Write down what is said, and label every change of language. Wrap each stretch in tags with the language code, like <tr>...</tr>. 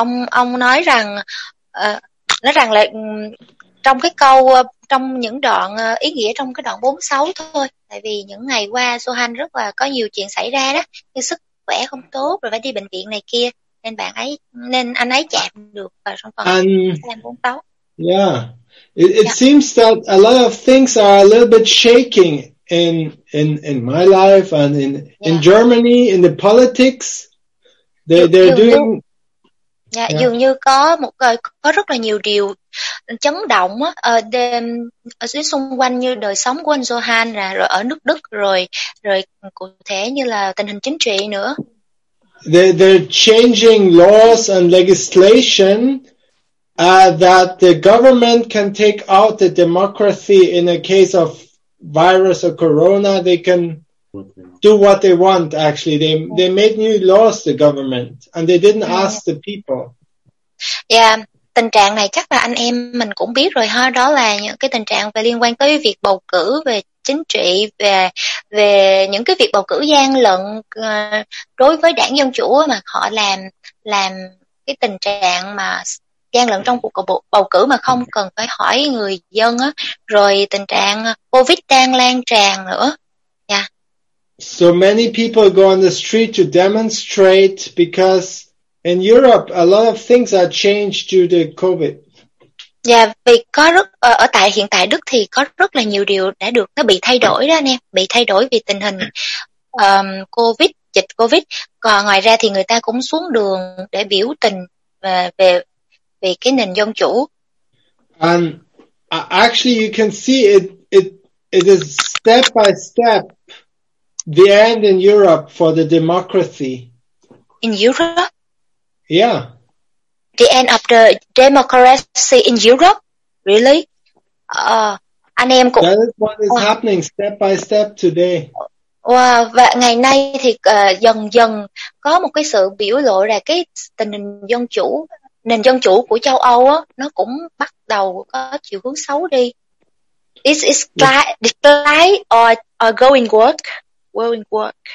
<vi>Ông nói rằng là trong cái câu, trong những đoạn ý nghĩa trong cái đoạn 46 thôi, tại vì những ngày qua Johan rất là có nhiều chuyện xảy ra đó, như sức khỏe không tốt rồi phải đi bệnh viện này kia, nên anh ấy chạm được vào trong phần 46.</vi> <en>It yeah, seems that a lot of things are a little bit shaking in my life and in Germany, in the politics, they're doing.</en> <vi>Dường như có một có rất là nhiều điều chấn động á, ở xung quanh như đời sống của anh Johan rồi ở nước Đức rồi cụ thể như là tình hình chính trị nữa.</vi> <en>They're changing laws and legislation that the government can take out the democracy in a case of virus or corona. They can do what they want, actually. They made new laws, the government, and they didn't ask the people.</en> <vi>Yeah, tình trạng này chắc là anh em mình cũng biết rồi ha, đó là những cái tình trạng về liên quan tới việc bầu cử, về chính trị, về những cái việc bầu cử gian lận đối với đảng Dân Chủ mà họ làm cái tình trạng mà gian lận trong cuộc bầu cử mà không cần phải hỏi người dân á, rồi tình trạng COVID đang lan tràn nữa.</vi> <en>Yeah. So many people go on the street to demonstrate because in Europe a lot of things are changed due to COVID.</en> <vi>Yeah, vì có rất ở tại hiện tại Đức thì có rất là nhiều điều đã được nó bị thay đổi đó anh em, bị thay đổi vì tình hình COVID, dịch COVID. Còn ngoài ra thì người ta cũng xuống đường để biểu tình về cái nền dân chủ.</vi> <en>And actually you can see it is step by step the end in Europe for the democracy. In Europe? Yeah. The end of the democracy in Europe? Really?</en> <vi>Anh em cũng...</vi> <en>That is what is happening step by step today.</en> <vi>Wow, và ngày nay thì dần dần có một cái sự biểu lộ là cái tình hình dân chủ, nền dân chủ của châu Âu á, nó cũng bắt đầu có chiều hướng xấu đi.</vi> <en>Is it decline or going work?</en>